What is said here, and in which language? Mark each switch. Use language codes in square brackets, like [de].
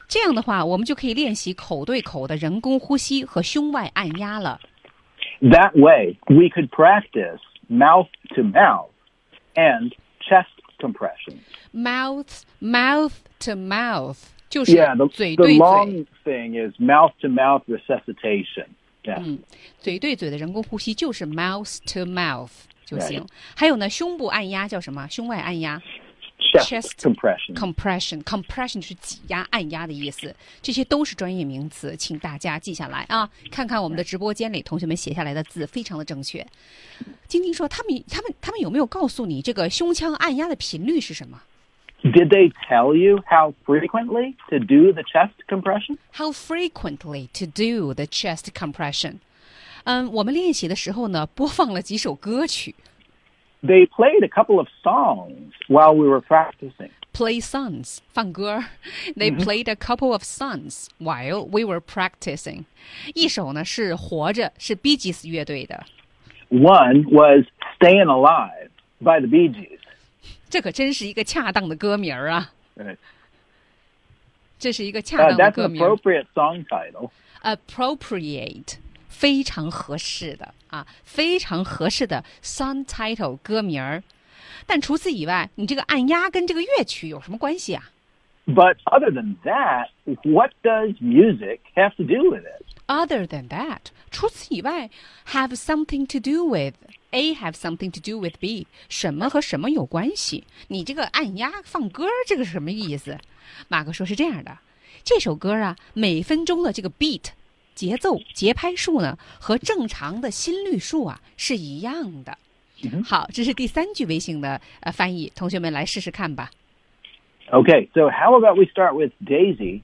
[zh] 这样的话，我们就可以练习口对口的人工呼吸和胸外按压了。 [en] That way, we could practice mouth-to-mouth and chest compression. Mouth-to-mouth, [zh] 就是嘴对 [en] Yeah, the long thing is mouth-to-mouth resuscitation. [zh] 嘴对嘴的人工呼吸就是 mouth to mouth 就行。还有呢，胸部按压叫什么？胸外按压 [en] chest compression. [zh] Compression, compression 就是挤压、按压的意思。这些都是专业名词，请大家记下来啊！看看我们的直播间里同学们写下来的字，非常的正确。晶晶说，他们有没有告诉你这个胸腔按压的频率是什么 [en] ？Did they tell you how frequently to do the chest compression? How frequently to do the chest compression? [zh] 我们练习的时候呢，播放了几首歌曲。 [en] They played a couple of songs while we were practicing. Play songs, [zh] 放歌。 [en] They played a couple of songs while we were practicing. [zh] 一首呢是《活着》，是 Bee Gees 乐队的。 [en] One was "Staying Alive" by the Bee Gees. [zh] 这可真是一个恰当的歌名啊！ [en] Right. [zh] 这是一个恰当的歌名。 [en] That's an appropriate song title. [zh] Appropriate. 非常合适的啊，非常合适的 song title 歌名儿。但除此以外，你这个按压跟这个乐曲有什么关系啊？ [en] But other than that, what does music have to do with it? Other than that, [zh] 除此以外 [en] have something to do with A have something to do with B, [zh] 什么和什么有关系？你这个按压放歌这个是什么意思？马克说是这样的，这首歌啊，每分钟的这个 beat节奏节拍数呢和正常的心率数啊是一样的。好，这是第三句微信的翻译，同学们来试试看吧。 [en] Okay, so how about we start with Daisy?